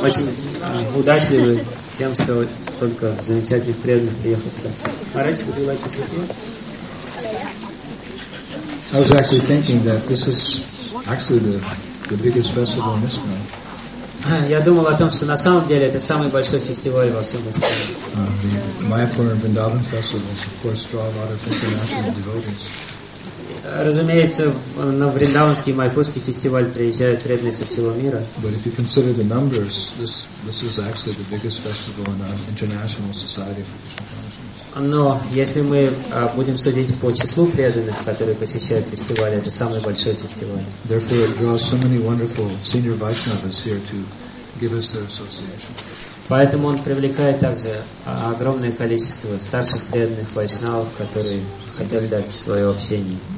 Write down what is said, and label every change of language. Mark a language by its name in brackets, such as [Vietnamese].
[Russian] Очень удачливы тем, что столько замечательных преданных приехали сюда. [English] Маратик, would you like to sit here? I was actually thinking that this is actually the biggest festival in ISKCON. [Russian] Я думал о том, что на самом деле это самый большой фестиваль во всем ISKCON. [English] The Mayapur and Vrindavan festivals, of course, draw a lot of international devotees. [Russian] Разумеется, на Вриндаванский Майпурский фестиваль приезжают преданные со всего мира. [English] But if you consider the numbers, this is actually the biggest festival in our international society for Krishna consciousness. [Russian] Но если мы будем судить по числу преданных, которые посещают фестиваль, это самый большой фестиваль. [English] Therefore, it draws so many wonderful senior Vaishnavas here to give us their association. [Russian] Поэтому он привлекает также огромное количество старших преданных вайшнавов, которые хотят дать свое общение.